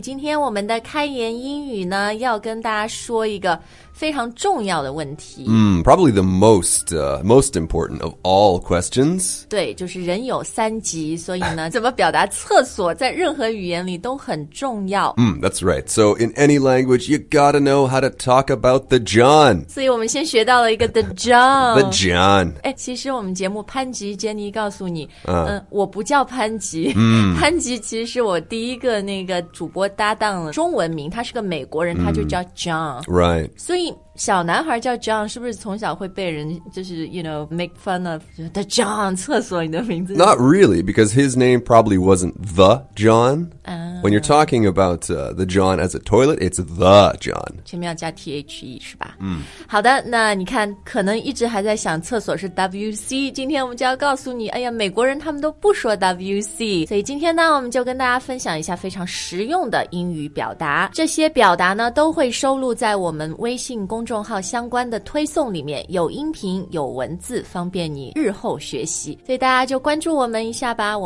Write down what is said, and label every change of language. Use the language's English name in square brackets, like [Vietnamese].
[Chinese] 今天我们的开言英语呢，要跟大家说一个非常重要的问题。 [English] Probably the most important of all questions. [Chinese] 对，就是人有三急，所以呢，怎么表达厕所在任何语言里都很重要。 [English] That's right. So in any language, you gotta know how to talk about the John. [Chinese] 所以我们先学到了一个 the John. [English] The John. [Chinese] 哎，其实我们节目潘吉 Jenny 告诉你，我不叫潘吉。潘吉其实是我第一个那个主播搭档的中文名，他是个美国人，他就叫 John. [English] Right. [Chinese] 所以小男孩叫 John 是不是从小会被人就是 [English] you know make fun of the John [Chinese] 厕所你的名字 [English] Not really, because his name probably wasn't the John. When you're talking about the John as a toilet, it's the John. [Chinese] 前面要加 T-H-E 是吧、好的，那你看可能一直还在想厕所是 WC, 今天我们就要告诉你，哎呀，美国人他们都不说 WC, 所以今天呢我们就跟大家分享一下非常实用的英语表达。这些表达呢都会收录在我们微信公众号相关的推送里面，有音频有文字，方便你日后学习，所以大家就关注我们一下吧。